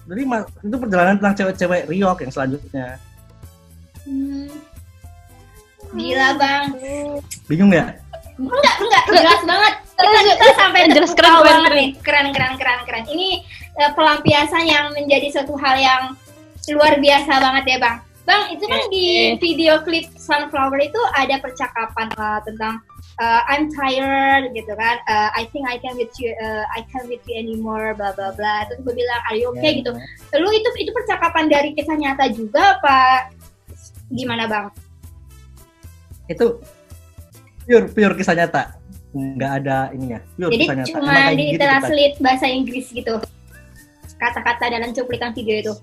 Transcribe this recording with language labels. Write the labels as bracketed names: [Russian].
[Indonesian] Jadi itu perjalanan tentang cewek-cewek Rio yang selanjutnya. Gila bang. Bingung ya? Enggak, jelas banget. Kita sampai jelas keren banget nih. Keren. Ini pelampiasan yang menjadi suatu hal yang luar biasa banget ya bang. Bang, itu kan di video klip Sunflower itu ada percakapan tentang [English] I'm tired [Indonesian] gitu kan, [English] I think I can't with you, I can't with you anymore, [Indonesian] bla bla bla. Terus gue bilang, [English] are you okay [Indonesian] gitu. Lu itu percakapan dari kisah nyata juga apa gimana bang? Itu pure kisah nyata, nggak ada ininya. Pure jadi cuma di translate bahasa Inggris gitu, kata-kata dalam cuplikan video itu.